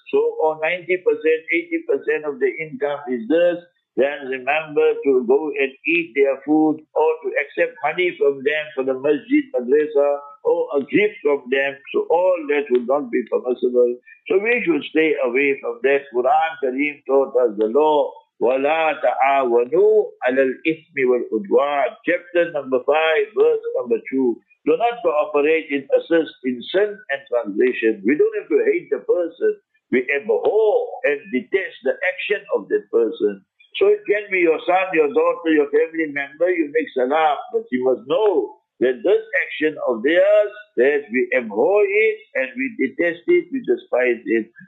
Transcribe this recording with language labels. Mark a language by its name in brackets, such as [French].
[English] So, or 90%, 80% of the income is this. Then remember to go and eat their food or to accept money from them for the masjid, madrasa, or a gift from them. So all that would not be permissible. So we should stay away from that. Quran Kareem taught us the law. [Arabic] وَلَا تَعَاوَنُوا عَلَى الْإِثْمِ وَالْعُدْوَانِ [English] Chapter number 5, verse number 2. Do not cooperate in assist in sin and transgression. We don't have to hate the person. We abhor and detest the action of that person. So it can be your son, your daughter, your family member, you make salam, but you must know that this action of theirs, that we abhor it and we detest it, we despise it.